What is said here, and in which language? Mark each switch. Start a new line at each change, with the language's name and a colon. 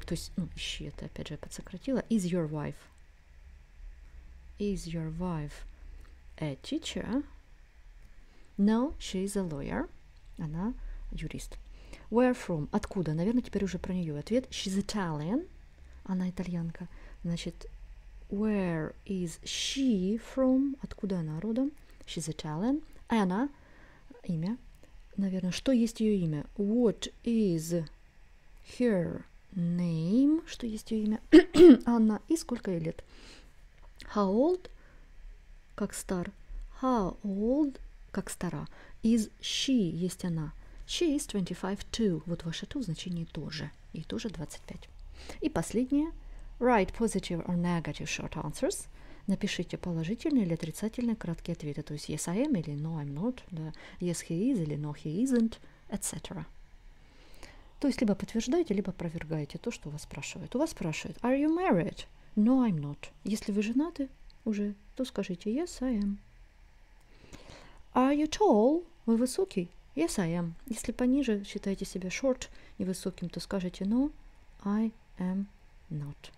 Russian: То есть, ну, is she — это, опять же, подсократила.
English: Is your wife? Is your wife a teacher? No, she is a lawyer.
Russian: Она юрист.
English: Where from? Откуда?
Russian: Наверное, теперь уже про нее ответ.
English: She's Italian.
Russian: Она итальянка.
English: Значит, where is she from?
Russian: Откуда она родом?
English: She's Italian.
Russian: Anna. Имя. Наверное, что есть ее имя?
English: What is her name,
Russian: что есть ее имя, Анна, и сколько ей лет.
English: How old,
Russian: как стар.
English: How old,
Russian: как стара.
English: Is she,
Russian: есть она.
English: She is 25 too.
Russian: Вот ваше to в значении тоже. Ей тоже 25. И последнее.
English: Write positive or negative short answers.
Russian: Напишите положительные или отрицательные краткие ответы.
English: То есть yes I am или no I'm not.
Russian: Да.
English: Yes he is или no he isn't, etc.
Russian: То есть либо подтверждаете, либо опровергаете то, что у вас спрашивают. У вас спрашивают,
English: are you married? No, I'm not.
Russian: Если вы женаты уже, то скажите,
English: yes, I am. Are you tall?
Russian: Вы высокий?
English: Yes, I am.
Russian: Если пониже, считаете себя short и высоким, то скажете
English: no, I am not.